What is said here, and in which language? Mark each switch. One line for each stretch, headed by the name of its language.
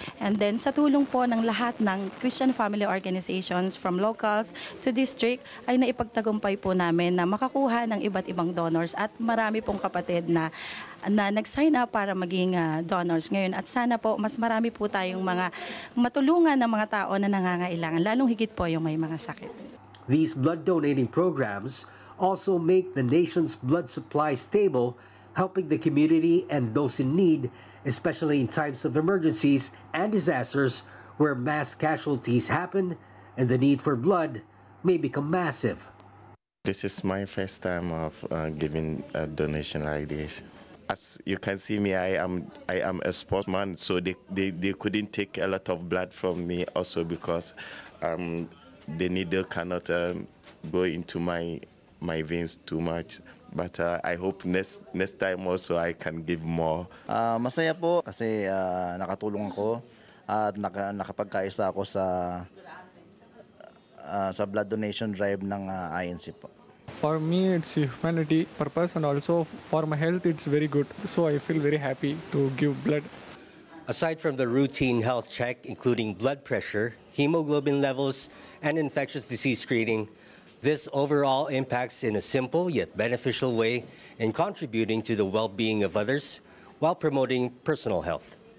Filipino: And then sa tulong po ng lahat ng Christian Family Organizations from locals to district ay naipagtagumpay po namin na makakuha ng iba't ibang donors at marami pong kapatid na nag-sign up para maging donors ngayon. At sana po mas marami po tayong mga matulungan ng mga tao na nangangailangan, lalong higit po yung may mga sakit.
English: These blood donating programs also make the nation's blood supply stable, helping the community and those in need, especially in times of emergencies and disasters where mass casualties happen and the need for blood may become massive. This is my first time of giving a donation like this. As you can see me, I am a sportsman, so they couldn't take a lot of blood from me also because the needle cannot go into my veins too much. But I hope next time also I can give more.
Filipino: Masaya po kasi nakatulong ako at nakapagkaisa ako sa blood donation drive ng INC po.
English: For me, it's humanity purpose and also for my health, it's very good. So I feel very happy to give blood. Aside from the routine health check, including blood pressure, hemoglobin levels, and infectious disease screening, this overall impacts in a simple yet beneficial way in contributing to the well-being of others while promoting personal health.